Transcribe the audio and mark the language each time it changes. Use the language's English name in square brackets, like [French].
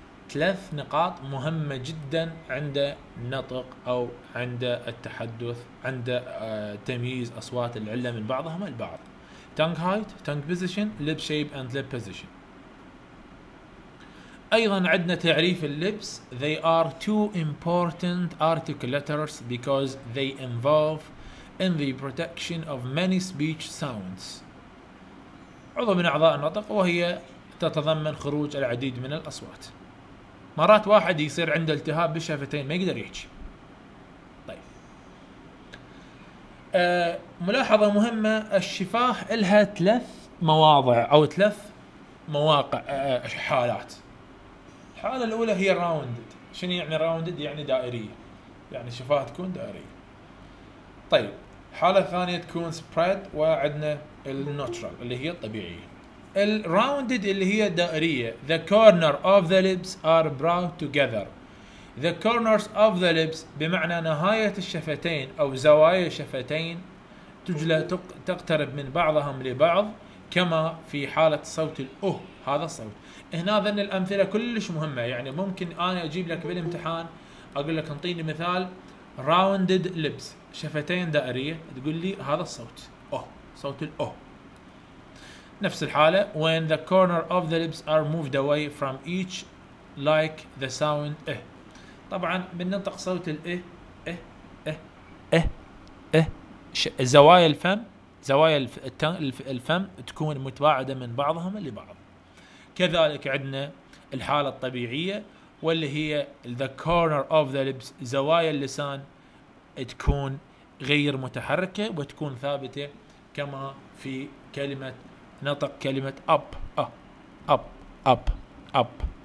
[Arabic] ثلاث نقاط مهمة جدا عند نطق أو عند التحدث عند تمييز أصوات العلة من بعضهم البعض. [English] Tongue height, tongue position, lip shape and lip position. [Arabic] أيضا عندنا تعريف اللبس. [English] They are two important articulators because they involve in the protection of many speech sounds. [Arabic] عضو من أعضاء النطق وهي تتضمن خروج العديد من الأصوات. مرات واحد يصير عنده التهاب بالشفتين ما يقدر يحكي. طيب ملاحظة مهمة. الشفاه لها ثلاث مواضع أو ثلاث مواقع حالات. الحالة الأولى هي راوندد. شنو يعني راوندد؟ يعني دائرية يعني شفاه تكون دائرية. طيب حالة ثانية تكون سبريد وعندنا النوترال اللي هي الطبيعية. الراوندد اللي هي دائرية [English] the corner of the lips are brought together. the corners of the lips [Arabic] بمعنى نهاية الشفتين أو زوايا الشفتين تجلى تقترب من بعضهم لبعض كما في حالة صوت الأه. هذا الصوت هنا ذن الأمثلة كلش مهمة يعني ممكن أنا أجيب لك بالامتحان أقول لك انطيني مثال [English] rounded lips [Arabic] شفتين دائرية تقول لي هذا الصوت أوه صوت الأوه نفس الحالة [English] when the corner of the lips are moved away from each like the sound إه. [Arabic] طبعا بننطق صوت الإه إه إه إه إه, إه. زوايا الفم زوايا الفم تكون متباعدة من بعضهم لبعض. كذلك عندنا الحالة الطبيعية واللي هي [English] the corner of the lips [Arabic] زوايا اللسان تكون غير متحركة وتكون ثابتة كما في كلمة نطق كلمة up up up up.